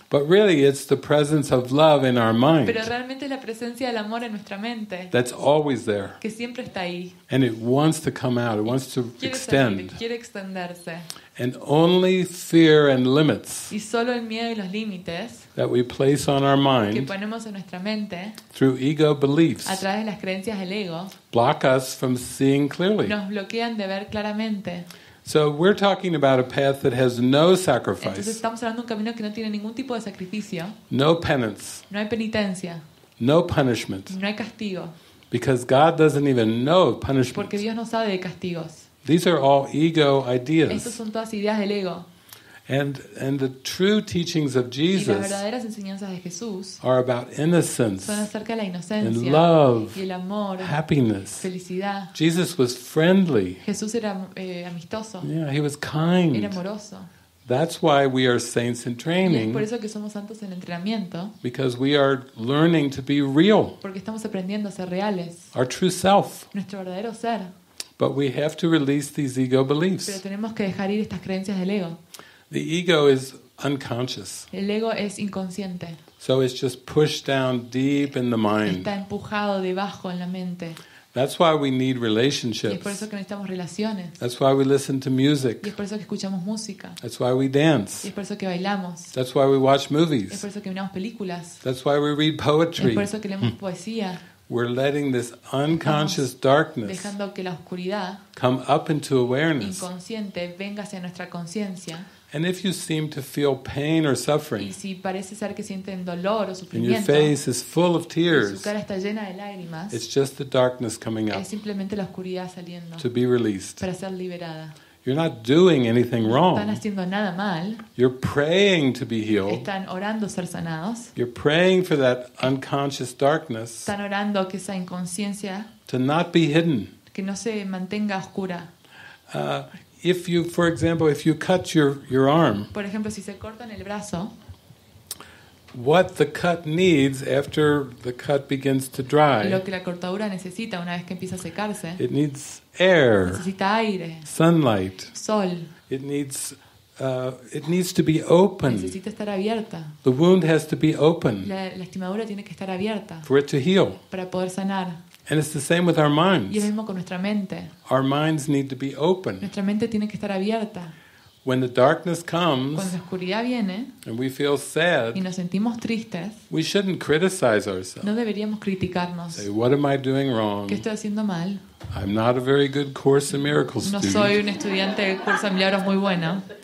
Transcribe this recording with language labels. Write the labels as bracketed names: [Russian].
[English] But really, it's the presence of love in our mind. [Spanish] Pero realmente es la presencia del amor en nuestra mente. [English] That's always there. [Spanish] Que siempre está ahí. [English] And it wants to come out. It wants to extend. [Spanish] Quiere extenderse. [English] And only fear and limits. [Spanish] Y solo el miedo y los límites. [English] That we place on our mind. [Spanish] Que ponemos en nuestra mente. [English] Through ego beliefs. [Spanish] A través de las creencias del ego. [English] Block us from seeing clearly. [Spanish] Nos bloquean de ver claramente. [English] So we're talking about a path that has no sacrifice. [Spanish] Entonces estamos hablando de un camino que no tiene ningún tipo de sacrificio. [English] No penance. [Spanish] No hay penitencia. [English] No punishment. [Spanish] No hay castigo. [English] Because God doesn't even know of punishment. [Spanish] Porque Dios no sabe de castigos. [English] These are all ego ideas. [Spanish] Estas son todas ideas del ego. [English] And the true teachings of Jesus. [Spanish] Y las verdaderas enseñanzas de Jesús. [English] Are about innocence. [Spanish] Son acerca de la inocencia. [English] And love. [Spanish] Y el amor. [English] Happiness. [Spanish] Felicidad. [English] Jesus was friendly. [Spanish] Jesús era amistoso. [English] Yeah, he was kind. [Spanish] Era amoroso. [English] That's why we are saints in training. [Spanish] Y es por eso que somos santos en entrenamiento. [English] Because we are learning to be real. [Spanish] Porque estamos aprendiendo a ser reales. [English] Our true self. [Spanish] Nuestro verdadero ser. [English] But we have to release these ego beliefs. [Spanish] Pero tenemos que dejar ir estas creencias del ego. [English] The ego is unconscious. [Spanish] El ego es inconsciente. [English] So it's just pushed down deep in the mind. [Spanish] Está empujado debajo en la mente. [English] That's why we need relationships. [Spanish] Y es por eso que necesitamos relaciones. [English] That's why we listen to music. [Spanish] Y es por eso que escuchamos música. [English] That's why we dance. [Spanish] Y es por eso que bailamos. [English] That's why we watch movies. [Spanish] Y es por eso que miramos películas. [English] That's why we read poetry. [Spanish] Y es por eso que leemos poesía. [English] We're letting this unconscious darkness [Spanish] dejando que la oscuridad [English] come up into awareness. [Spanish] Inconsciente venga hacia nuestra conciencia. [English] And if you seem to feel pain or suffering, [Spanish] y si parece ser que sienten dolor o sufrimiento, [English] and your face is full of tears, [Spanish] y su cara está llena de lágrimas, [English] it's just the darkness coming up, [Spanish] es simplemente la oscuridad saliendo, [English] to be released, [Spanish] para ser liberada. [English] You're not doing anything wrong. [Spanish] No están haciendo nada mal. [English] You're praying to be healed. [Spanish] Están orando ser sanados. [English] You're praying for that unconscious darkness. [Spanish] Están orando que esa inconsciencia [English] to not be hidden. [Spanish] Que no se mantenga oscura. [English] If you, for example, if you cut your arm, [Spanish] por ejemplo, si se cortan el brazo, [English] what the cut needs after the cut begins to dry, [Spanish] lo que la cortadura necesita una vez que empieza a secarse, [English] it needs air, [Spanish] necesita aire, [English] sunlight, [Spanish] sol, [English] it needs to be open, [Spanish] necesita estar abierta, [English] the wound has to be open, [Spanish] la lastimadura tiene que estar abierta, [English] for it to heal, [Spanish] para poder sanar. [English] And it's the same with our minds. [Spanish] Y lo mismo con nuestra mente. [English] Our minds need to be open. [Spanish] Nuestra mente tiene que estar abierta. [English] When the darkness comes, [Spanish] cuando la oscuridad viene, [English] and we feel sad, [Spanish] y nos sentimos tristes, [English] we shouldn't criticize ourselves. [Spanish] No deberíamos criticarnos. [English] Say, what am I doing wrong? [Spanish] ¿Qué estoy haciendo mal? [English] I'm not a very good Course in Miracles student. [Spanish] No soy un estudiante de Curso de Milagros muy bueno.